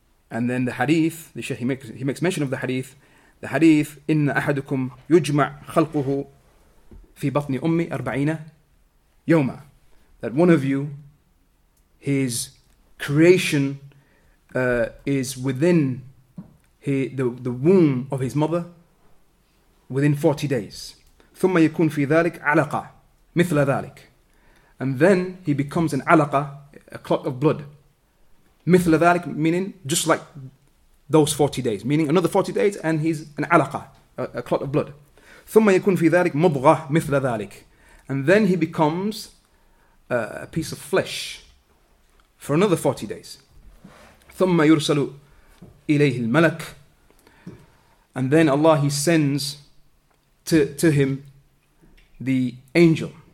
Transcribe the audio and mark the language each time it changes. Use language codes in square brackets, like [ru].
[en] And then the hadith, the Shaykh, he makes mention of the hadith [ar] إن أحدكم يجمع خلقه في بطن أمي 40 يوما, [en] that one of you, his creation is within the womb of his mother within 40 days. [ar] ثم يكون في ذلك علقة مثل ذلك. [en] And then he becomes an علقة, a clot of blood. [ar] مثل ذلك, [en] meaning just like those 40 days. Meaning another 40 days and he's an علقة, a clot of blood. [ar] ثم يكون في ذلك مضغة مثل ذلك. [en] And then he becomes a piece of flesh for another 40 days. [ar] ثم يرسل إليه الملك. [en] And then Allah, he sends to him the angel.